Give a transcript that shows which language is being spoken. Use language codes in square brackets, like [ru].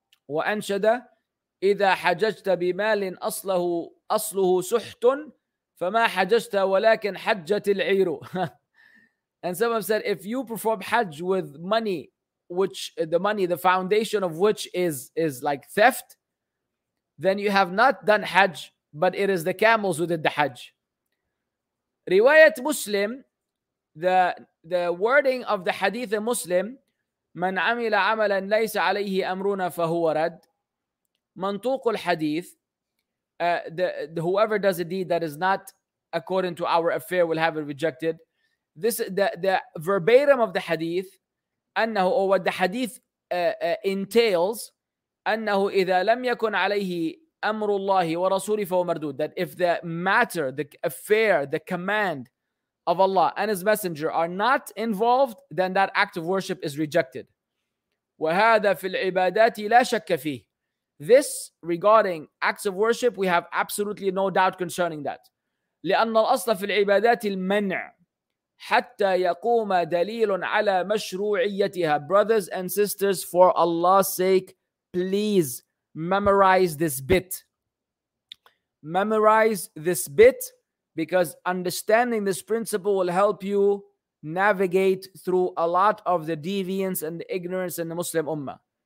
[ar] وَأَنْشَدَ إِذَا حَجَجْتَ بِمَالٍ أَصْلُهُ سُحْتٌ فَمَا حَجَجْتَ وَلَكِنْ حَجَّتِ الْعِيرُ. [en] And some of them said, if you perform Hajj with money, which the money, the foundation of which is like theft, then you have not done Hajj, but it is the camels who did the Hajj. Riwayat Muslim, the wording of the Hadith in Muslim, [ar] من عمل عملا ليس عليه أمرنا فهو رد. منطوق الحديث, [en] whoever does a deed that is not according to our affair will have it rejected. This the verbatim of the hadith, [ar] أنه, [en] or what the hadith entails, [ar] أنه إذا لم يكن عليه أمر الله ورسوله فهو مردود. [en] That if the matter, the affair, the command of Allah and His Messenger are not involved, then that act of worship is rejected. [ar] وهذا في العبادات لا شك فيه. [en] This regarding acts of worship, we have absolutely no doubt concerning that. [ar] لأن الأصل في العبادات المنع. حتى يقوم دليل على مشروعيتها. [en] Brothers and sisters, for Allah's sake, please memorize this bit. Memorize this bit, because understanding this principle will help you navigate through a lot of the deviance and the ignorance in the Muslim Ummah.